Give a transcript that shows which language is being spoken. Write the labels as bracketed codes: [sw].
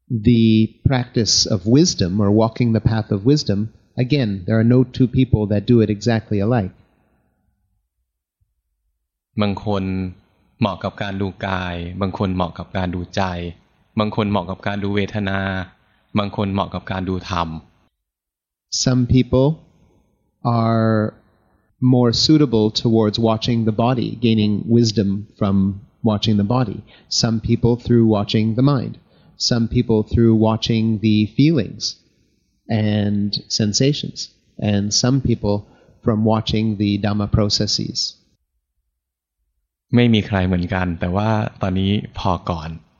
[en] The practice of wisdom or walking the path of wisdom again there are no two people that do it exactly alike [th] บางคนเหมาะกับการดูกายบางคนเหมาะกับการดูใจบางคนเหมาะกับการดูเวทนาบางคนเหมาะกับการดูธรรม [en] Some people are more suitable towards watching the body gaining wisdom fromwatching the body, some people through watching the mind, some people through watching the feelings and sensations, and some people from watching the Dhamma processes. [th] ไม่มีใครเหมือนกันแต่ว่าตอนนี้พอก่อน